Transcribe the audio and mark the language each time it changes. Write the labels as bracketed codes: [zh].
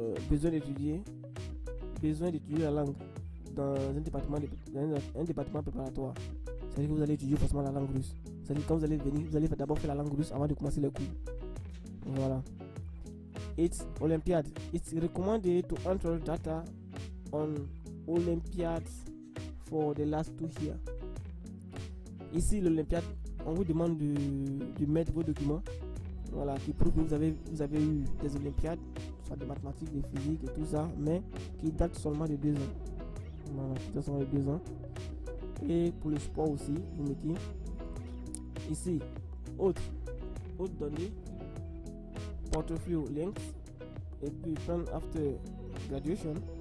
[fr] Besoin d'étudier la langue dans un département préparatoire. C'est-à-dire que vous allez étudier forcément la langue russe. C'est-à-dire quand vous allez venir, vous allez d'abord faire la langue russe avant de commencer le cours. Voilà. [en] It's Olympiad. It's recommended to enter data on Olympiads for the last 2 years. [fr] Ici, l'Olympiade, on vous demande de mettre vos documents. Voilà, qui prouve que vous avez eu des Olympiades, soit de mathématiques, de physique et tout ça, mais qui datent seulement de 2 ans. Voilà, qui datent seulement de 2 ans. Et pour le sport aussi, vous mettez ici, autres données, portfolio links, et puis [en] plan after graduation.